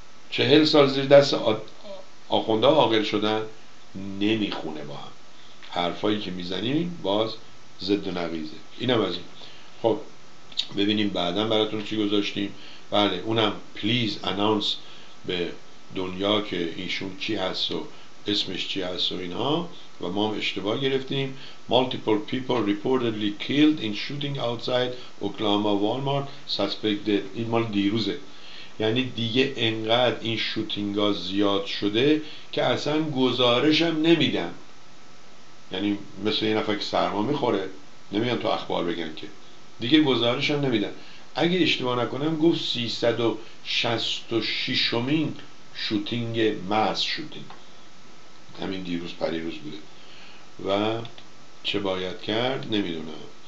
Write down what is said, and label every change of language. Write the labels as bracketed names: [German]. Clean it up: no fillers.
[Persian] 40 سال زیر دست آخونده عاقل شدن؟ نمیخونه با هم حرفایی که میزنیم، باز زد و نقیزه. اینم از این. خب ببینیم بعدا براتون چی گذاشتیم. بله اونم پلیز اناونس به دنیا که ایشون چی هست و اسمش چی هست و اینها. و ما هم اشتباه گرفتیم. [English] Multiple people reportedly killed in shooting outside Oklahoma Walmart suspected. [Persian] این مال دیروزه، یعنی دیگه انقدر این شوتینگ ها زیاد شده که اصلا گزارشم نمیدم. یعنی مثل یه نفر که سرما میخوره نمیان تو اخبار بگن، که دیگه گزارشم نمیدم. اگه اشتباه نکنم گفت 366 شوتینگ ماس شوتینگ همین دیروز پریروز بوده و چه باید کرد نمیدونم.